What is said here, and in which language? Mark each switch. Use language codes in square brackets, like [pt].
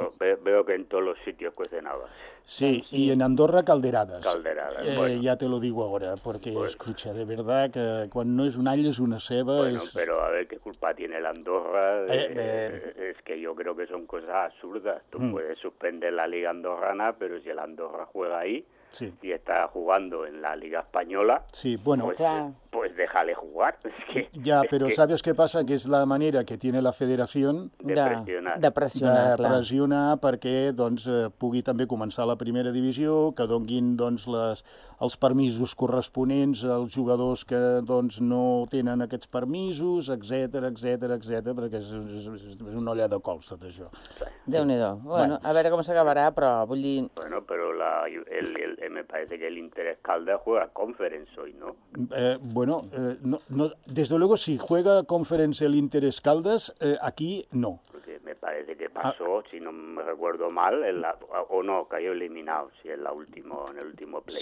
[es] Veo que en [ca] tots els [es] sitios cuecen habas. [ca] Sí, i en Andorra calderades. Calderades, bueno. [es] Ja te lo digo ahora, porque, bueno, escucha, de verdad, que [ca] quan no és un all, és una ceba. [es] Bueno, [ca] és... [es] Pero a ver qué culpa tiene la Andorra. Es que yo creo que son cosas absurdas. Tú puedes suspender la Liga Andorrana, pero si la Andorra juega ahí, sí. Y está jugando en la Liga Española, sí, bueno, pues, claro. Pues déjale jugar. Ya, pero ¿sabes qué pasa? Que es la manera que tiene la federación [ca] de pressionar perquè doncs, pugui també començar la primera divisió, que donguin doncs, els permisos corresponents als jugadors que doncs, no tenen aquests permisos, etc, perquè és una olla de cols tot això. Sí. Déu-n'hi-do. Bueno, a veure com s'acabarà, però vull dir... [es] Bueno, pero me parece que el Interés Caldas juega Conference hoy, ¿no? Bueno, no, desde luego, si juega Conference el Interés Caldas, aquí no. Porque me parece que pasó, si no me recuerdo mal, cayó eliminado, si en la último, en el último playoff.